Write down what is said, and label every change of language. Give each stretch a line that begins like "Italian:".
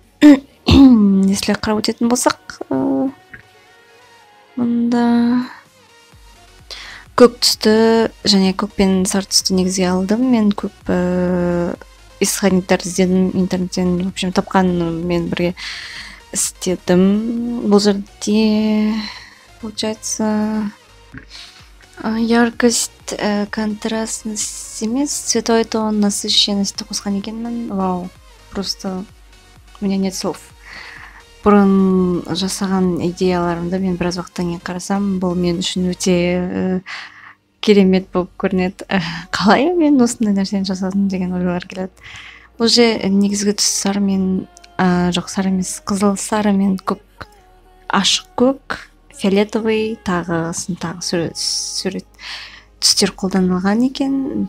Kazakh: Если қарап өтетін болсақ, мұнда көк түсті және көк пен сары түсті негізге алдым. Мен көп исходниктерді іздедім интернеттен.
Russian: В общем,
Kazakh: тапқан мен бірге істедім. Бұл жерде
Russian: получается
Kazakh: яркость, контрастность емес, цветой тон, насыщенность қосқан екенмін.
Russian: Вау, просто у меня нет слов.
Kazakh: Бұрын жасаған идеяларымды мен біраз уақыттан кейін қарасам, бұл мен үшін өте керемет болып көрінеді. Қалай мен осындай нәрсені жасадым деген ойлар келеді. Бұл же негізгі түс сары мен жоқ сары емес, қызыл сары мен көк, ашық көк, фиолетовый, тағысын тағы сурет түстер қолданылған екен.